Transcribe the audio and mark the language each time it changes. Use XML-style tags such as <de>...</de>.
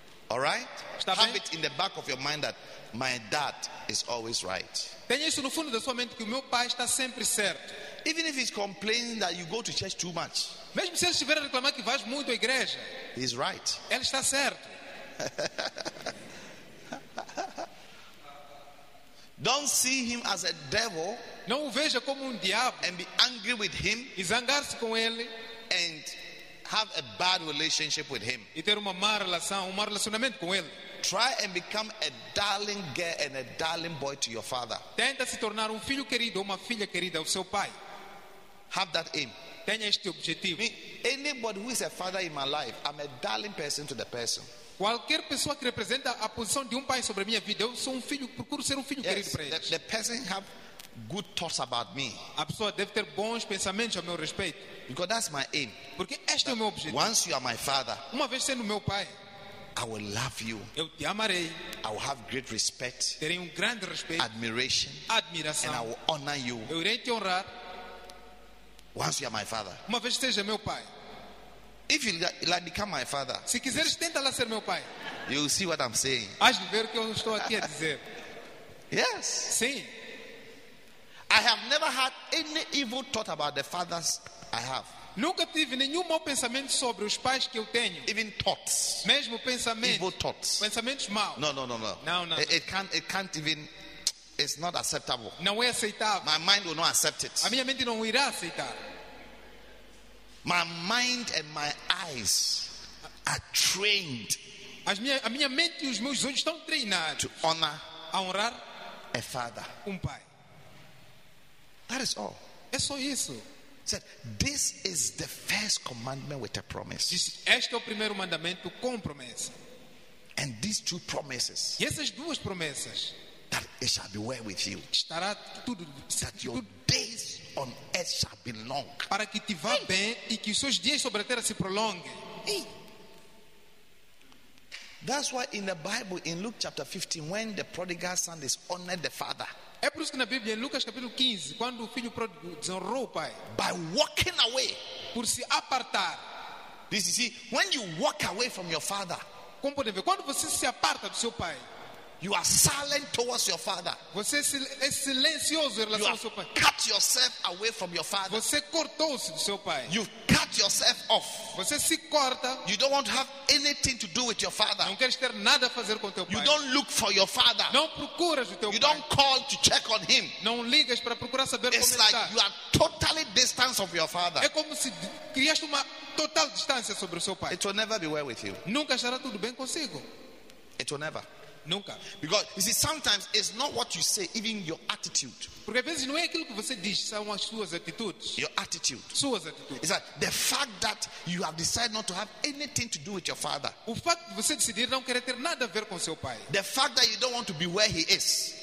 <en>All right?</en> <pt>Está</pt> <en>have</en> <pt>bem?</pt> <en>It in the back of your mind that my dad is always right.</en> <pt>Tenha isso no fundo da sua mente que o meu pai está sempre certo.</pt> <en>Even if he's complaining that you go to church too much.</en> <pt>Mesmo se ele estiver a reclamar que vais muito à igreja.</pt> <en>He's right.</en> <pt>Ele está certo.</pt> <en>Don't see him as a devil.</en> <pt>Não o veja como diabo.</pt> <en>And be angry with him.</en> <pt>E zangar-se com ele.</pt> <en>And have a bad relationship with him.</en> <pt>E ter uma má relação, um mau relacionamento com ele.</pt> <en>Try and become a darling girl and a darling boy to your father.</en> <pt>Tenta se tornar filho querido, uma filha querida ao seu pai.</pt> <en>Have that aim.</en> <pt>Tenha este objetivo.</pt> <en>Anybody who is a father in my life, I'm a darling person to the person.</en> <pt>Qualquer pessoa que representa a posição de pai sobre minha vida, eu sou filho, procuro ser filho</pt> <en>yes,</en> <pt>querido para eles.</pt> <en>The person have good thoughts about me.</en> <pt>A pessoa deve ter bons pensamentos a meu respeito.</pt> <en>Because that's my aim.</en> <pt>Porque este é o meu objetivo.</pt> <en>Once you are my father,</en> <pt>uma vez sendo meu pai,</pt> <en>I will love you.</en> <pt>Eu te amarei.</pt> <en>I will have great respect.</en> <pt>Terei grande respeito.</pt> <en>Admiration.</en> <pt>Admiração.</pt> <en>And I will honor you.</en> <pt>Eu irei te honrar.</pt> <en>Once you are my father,</en> <pt>uma vez seja meu pai.</pt> <en>If you like become my father,</en> <pt>se quiseres tenta lá ser meu pai.</pt> <en>You will see what I'm saying.</en> <pt>Has de ver o que eu estou aqui a dizer.</pt> <en>Yes.</en> <pt>Sim.</pt> <en>I have never had any evil thought about the fathers I have.</en> <pt>Nunca tive nenhum mau pensamento sobre os pais que eu tenho.</pt> <en>Even thoughts.</en> <pt>Mesmo pensamentos.</pt> <en>Evil thoughts.</en> <pt>Pensamentos maus.</pt> <en>No.</en> <pt>Não.</pt> <en>It can't even. It's not acceptable.</en> <pt>Não é aceitável.</pt> <en>My mind will not accept it.</en> <pt>A minha mente não irá aceitar.</pt> <en>My mind and my eyes are trained.</en> <pt>A minha mente e os meus olhos estão treinados.</pt> <en>To honor.</en> <pt>A honrar.</pt> <en>A father.</en> <pt>Pai.</pt> <en>That is all.</en> <pt>É só isso.</pt> <en>Said, this is the first commandment with a promise.</en> <pt>Este é o primeiro mandamento com promessa.</pt> <en>And these two promises.</en> <pt>E essas duas promessas.</pt> <en>That it shall be well with you.</en> <pt>Estará tudo.</pt> <en>That your days on earth shall be long.</en> <pt>Para que te vá bem e que os seus dias sobre a terra se prolonguem.</pt> <en>That's why in the Bible, in Luke chapter 15, when the prodigal son is honored the father.</en> <pt>É por isso que na Bíblia, em Lucas capítulo 15, quando o filho pródigo desonrou o pai.</pt> <en>By walking away.</en> <pt>Por se apartar.</pt> <en>This is it. When you walk away from your father.</en> <pt>Como podem ver, quando você se aparta do seu pai.</pt> <en>You are silent towards your father.</en> <pt>Você é silencioso em relação</pt> <en>you</en> <pt>ao seu pai.</pt> <en>Cut yourself away from your father.</en> <pt>Você cortou-se do seu pai.</pt> <en>You cut yourself off.</en> <pt>Você se corta.</pt> <en>You don't want to have anything to do with your father.</en> <pt>Não queres ter nada a fazer com teu pai.</pt> <en>You don't look for your father.</en> <pt>Não procuras o teu</pt> <en>you You don't call to check on him.</en> <pt>Não ligas para procurar saber</pt> <en>it's</en> <pt>como</pt> <en>like</en> <pt>está.</pt> <en>It's like you are totally distanced of your father.</en> <pt>É como se criaste uma total distância sobre o seu pai.</pt> <en>It will never be well with you.</en> <pt>Nunca estará tudo bem consigo.</pt> <en>It will never.</en> <pt>Nunca.</pt> <en>Because you see, sometimes it's not what you say, even your attitude.</en> <pt>Porque às vezes não é aquilo que você diz, são as suas atitudes.</pt> <en>Your attitude.</en> <pt>Suas atitudes.</pt> <en>It's like the fact that you have decided not to have anything to do with your father.</en> <pt>O fato de você decidir não querer ter nada a ver com seu pai.</pt> <en>The fact that you don't want to be where he is.</en>